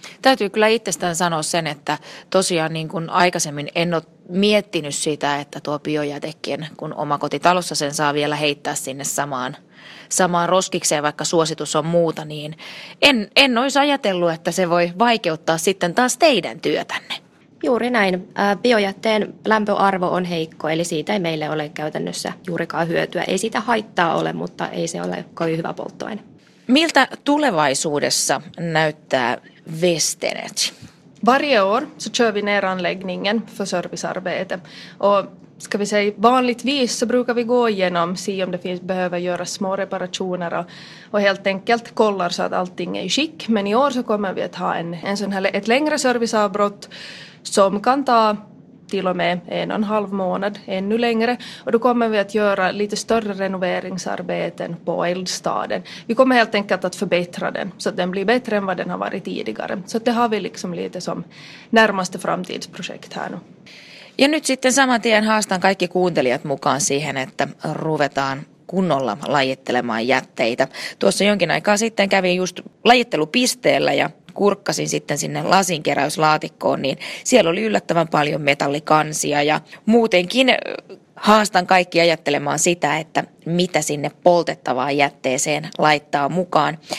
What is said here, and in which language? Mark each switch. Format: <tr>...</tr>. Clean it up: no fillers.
<fi>Täytyy kyllä itsestään sanoa sen, että tosiaan niin kuin aikaisemmin en ole miettinyt sitä, että tuo biojätekin, kun omakotitalossa sen saa vielä heittää sinne samaan roskikseen, vaikka suositus on muuta, niin en olisi ajatellut, että se voi vaikeuttaa sitten taas teidän työtänne. Juuri näin. Biojätteen lämpöarvo on heikko, eli siitä ei meille ole käytännössä juurikaan hyötyä. Ei sitä haittaa ole, mutta ei se ole kovin hyvä polttoaine. Miltä tulevaisuudessa näyttää West Energy?</fi> <sv>Varje år så kör vi ner anläggningen för servicearbete. Och ska vi säga vanligtvis så brukar vi gå igenom, se om det finns behöver göra små reparationer och helt enkelt kollar så att allting är i skick. Men i år så kommer vi att ha en sån här, ett längre serviceavbrott som kan ta till och med en och en halv månad ännu längre. Och då kommer vi att göra lite större renoveringsarbeten på eldstaden. Vi kommer helt enkelt att förbättra den så att den blir bättre än vad den har varit tidigare. Så det har vi liksom lite som närmaste framtidsprojekt här nu.</sv> <fi>Ja nyt sitten saman tien haastan kaikki kuuntelijat mukaan siihen, että ruvetaan kunnolla lajittelemaan jätteitä. Tuossa jonkin aikaa sitten kävin just lajittelupisteellä ja kurkkasin sitten sinne lasinkeräyslaatikkoon, niin siellä oli yllättävän paljon metallikansia ja muutenkin haastan kaikki ajattelemaan sitä, että mitä sinne poltettavaan jätteeseen laittaa mukaan.</fi>